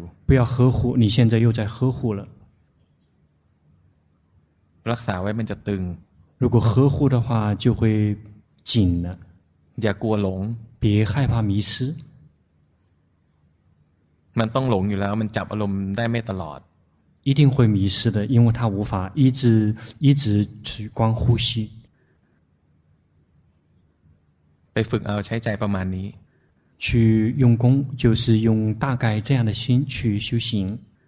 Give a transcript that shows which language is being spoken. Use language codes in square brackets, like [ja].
[zh] 不要呵护你现在又在呵护了 [th] รักษาไว้มันจะตึง [zh] 如果呵护的话就会紧了อ [th] ย่ากลัวหลง [zh] 别害怕迷失 [th] มันต้องหลงอยู่แล้วมันจับอารมณ์ได้ไม่ตลอด [zh] 一定会迷失的因为它无法一直去观呼吸 [th] ไปฝึกเอาใช้ใจประมาณนี้ [zh] 去用功就是用大概这样的心去修行